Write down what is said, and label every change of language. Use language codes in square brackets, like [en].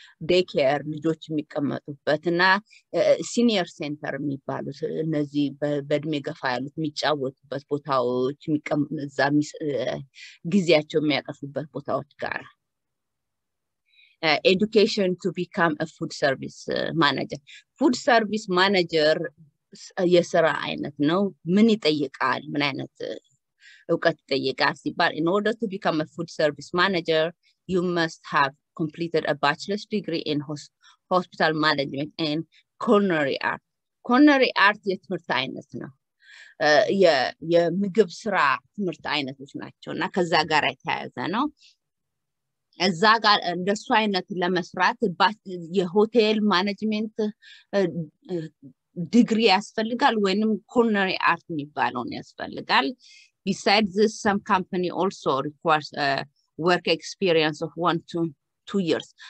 [am] ዴይ ኬር ልጆች የሚቀመጡበት እና ሲኒየር ሴንተር የሚባሉት እነዚህ በእድሜ ገፋ ያሉት የሚጫወቱበት ቦታዎች፣ እዛ ጊዜያቸው የሚያጠፉበት ቦታዎች ጋር ኤዱኬሽን ቱ ቢካም ፉድ ሰርቪስ ማናጀር። ፉድ ሰርቪስ ማናጀር የስራ አይነት ነው። ምን ይጠይቃል? ምን አይነት እውቀት ይጠይቃል ሲባል [en] in order to become a food service manager you must have completed a bachelor's degree in hospital management and culinary art. [am] culinary art የትምህርት አይነት ነው። የምግብ ስራ ትምህርት አይነቶች ናቸው እና ከዛ ጋር የተያያዘ ነው። እዛ ጋር እንደሱ አይነት ለመስራት የሆቴል ማኔጅመንት ዲግሪ ያስፈልጋል ወይንም culinary art የሚባለውን ያስፈልጋል። [en] Besides this, some company also requires work experience of 1 to 2 years.